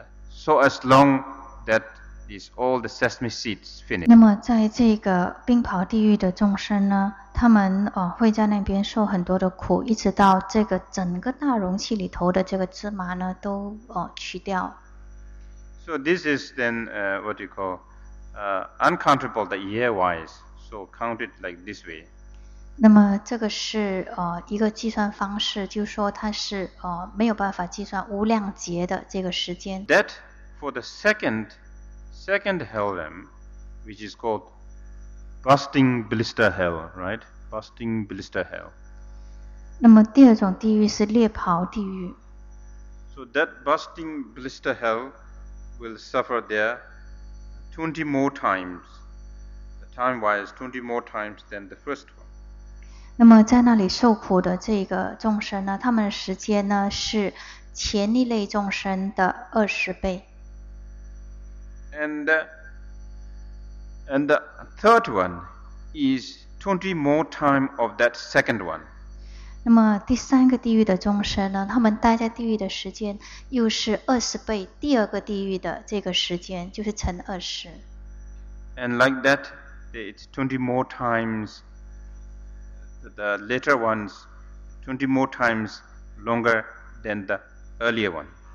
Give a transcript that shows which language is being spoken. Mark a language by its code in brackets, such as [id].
[en] So as long that is all the sesame seeds finished. [zh] 那么在这个冰雹地狱的众生呢，他们会在那边受很多的苦，一直到这个整个大容器里头的这个芝麻呢都取掉。 [en] So this is then what you call uncountable the year wise. So count it like this way. [zh] 那么这个是一个计算方式，就是说它是没有办法计算无量劫的这个时间。 [en] That for the second hell realm, which is called bursting blister hell, right? Bursting blister hell. [zh] 那么第二种地狱是裂袍地狱。 [en] So that bursting blister hell. Will suffer there 20 more times, the time wise 20 more times than the first one. [zh] 那么在那里受苦的这个众生呢，他们的时间呢是前一类众生的20倍。 [en] And the third one is 20 more time of that second one. [zh] 那么第三个地狱的众生呢，他们待在地狱的时间又是20倍第二个地狱的这个时间，就是乘20。 [en] And like that, it's 20 more times the later ones, 20 more times longer than the earlier one.